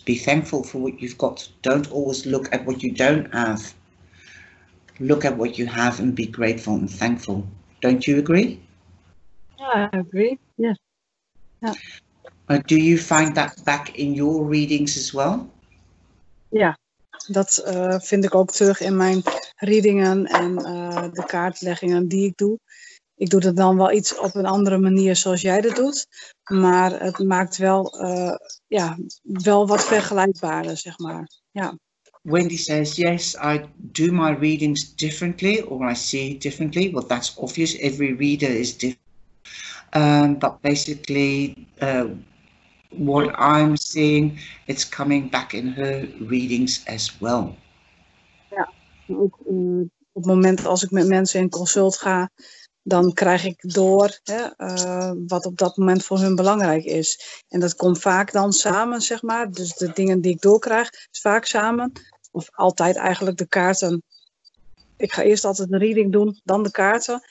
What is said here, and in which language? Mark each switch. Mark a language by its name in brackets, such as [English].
[English] Be thankful for what you've got. Don't always look at what you don't have. Look at what you have and be grateful and thankful. Don't you agree? I agree, yes. Yeah. Do you find that back in your readings as well? [Dutch] Ja, dat vind ik ook terug in mijn readingen en de kaartleggingen die ik doe. Ik doe dat dan wel iets op een andere manier zoals jij dat doet. Maar het maakt wel, wel wat vergelijkbaarder, zeg maar. Ja. [English] Wendy says, yes, I do my readings differently, or I see differently. Well, that's obvious. Every reader is different. But basically, what I'm seeing, it's coming back in her readings as well. [Dutch] Ja, ook op het moment als ik met mensen in consult ga, dan krijg ik door wat op dat moment voor hun belangrijk is. En dat komt vaak dan samen, zeg maar. Dus de dingen die ik doorkrijg, is vaak samen. Of altijd eigenlijk de kaarten. Ik ga eerst altijd een reading doen, dan de kaarten.